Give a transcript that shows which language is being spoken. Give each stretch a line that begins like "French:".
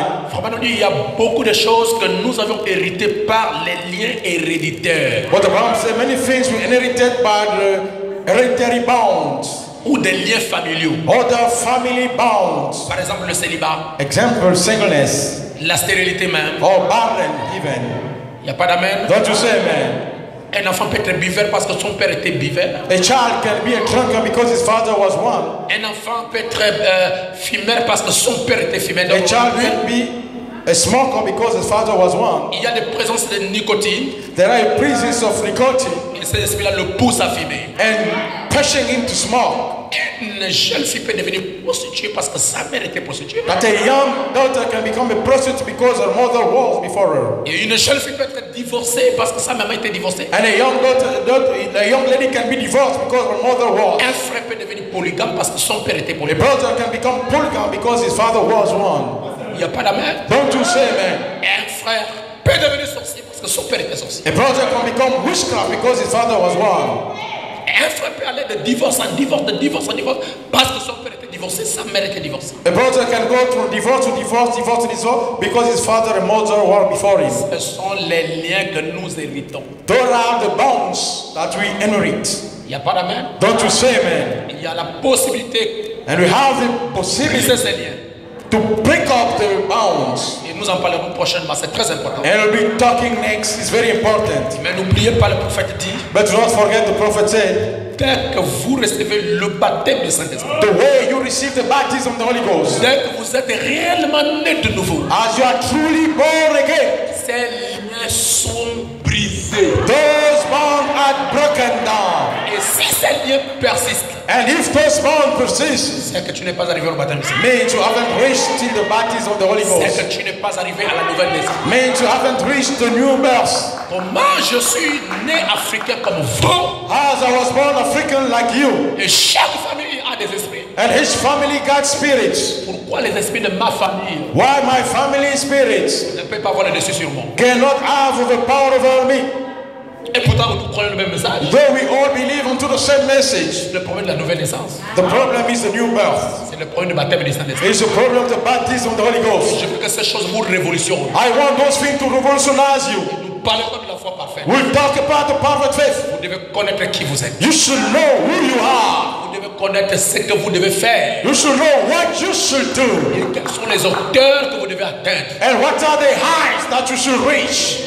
French: Frère Manon dit, il y a beaucoup de choses que nous avons héritées par les liens héréditaires.
English: But the problem said many things we inherited by the hereditary bonds
French: ou des liens familiaux.
English: Other family bonds.
French: Par exemple, le célibat.
English: Example, singleness.
French: La stérilité même.
English: Or barren even.
French: Y a pas d'amen.
English: Don't you say amen?
French: Un enfant peut être buveur parce que son père était buveur.
English: A child can be a drunkard because his father was one.
French: Un enfant peut être fumeur parce que son père était fumeur.
English: A child will be a smoker because his father was one.
French: Il y a des présences de nicotine.
English: There are presence of nicotine.
French: Et cet esprit-là le pousse à fumer.
English: And pushing him to smoke.
French: Une jeune fille peut devenir prostituée parce que sa mère était prostituée.
English: That a young daughter can become a prostitute because her mother was before her.
French: Et une jeune fille peut être divorcée parce que sa maman était divorcée.
English: And a young lady can be divorced because her mother was.
French: Un frère peut devenir polygame parce que son père était polygame.
English: A brother can become polygame because his father was one.
French: Il y a pas la mère.
English: Don't you say, man?
French: Un frère peut devenir sorcier parce que son père était sorcier.
English: A brother can become witchcraft because his father was one.
French: Un frère peut aller de divorce en divorce, de divorce en divorce parce que son père était divorcé, sa mère était divorcée.
English: A brother can go from divorce to divorce, divorce to divorce because his father and mother were before him.
French: Ce sont les liens que nous héritons.
English: Those are the bonds that we inherit.
French: Il y a pas la mère.
English: Don't you say, man?
French: Il y a la possibilité.
English: And we have the possibility.
French: Briser ces liens.
English: To break up the bounds.
French: Et nous en parlerons prochainement, c'est très important.
English: And we'll be talking next, it's very important.
French: Mais n'oubliez pas le prophète dit.
English: But do not forget the prophet said.
French: Dès que vous recevez le baptême du Saint-Esprit.
English: The way you receive the baptism of the Holy Ghost.
French: Dès que vous êtes réellement né de nouveau.
English: As you are truly born again.
French: Ces liens sont brisés.
English: Those bonds are broken down.
French: Et si ces liens persistent.
English: And if those bonds persist,
French: c'est que tu n'es pas arrivé au baptême.
English: Means you haven't reached till the baptism of the Holy Ghost.
French: C'est que tu n'es pas arrivé à la nouvelle naissance.
English: Means you haven't reached the new birth.
French: Comment je suis né africain comme vous?
English: As I was born African like you.
French: Et chaque famille a des esprits.
English: And his family got spirits.
French: Pourquoi les esprits de ma famille?
English: Why my family spirits?
French: Ne peut pas avoir le dessus sur moi.
English: Cannot have the power over me.
French: Et pourtant, nous croyons le même message.
English: Though we all believe unto the same message.
French: Le problème de la nouvelle naissance.
English: The problem is the new birth.
French: C'est le problème du baptême du Saint-Esprit.
English: It's the problem of the baptism of the Holy Ghost.
French: Je veux que ces choses vous révolutionnent.
English: I want those things to revolutionize you.
French: Nous parlons de la foi parfaite.
English: We'll talk about the perfect faith.
French: Vous devez connaître qui vous êtes.
English: You should know who you are.
French: Vous devez connaître ce que vous devez faire.
English: You should know what you should do.
French: Et quels sont les hauteurs que vous devez atteindre.
English: And what are the heights that you should reach.